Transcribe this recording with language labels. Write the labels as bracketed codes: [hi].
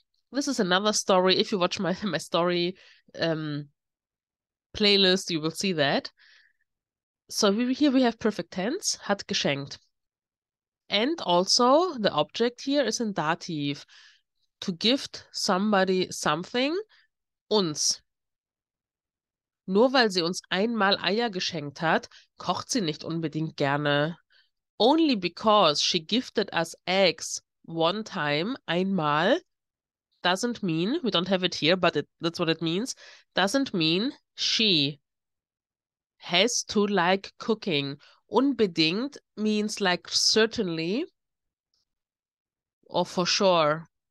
[en] This is another story. If you watch my story playlist, you will see that. So here we have perfect tense, [de] hat geschenkt. [en] And also the object here is in dative, to gift somebody something, uns. [de] Nur weil sie uns einmal Eier geschenkt hat, kocht sie nicht unbedingt gerne. [en] Only because she gifted us eggs. One time, einmal, doesn't mean, we don't have it here, but that's what it means, doesn't mean she has to like cooking. Unbedingt means like certainly or for sure.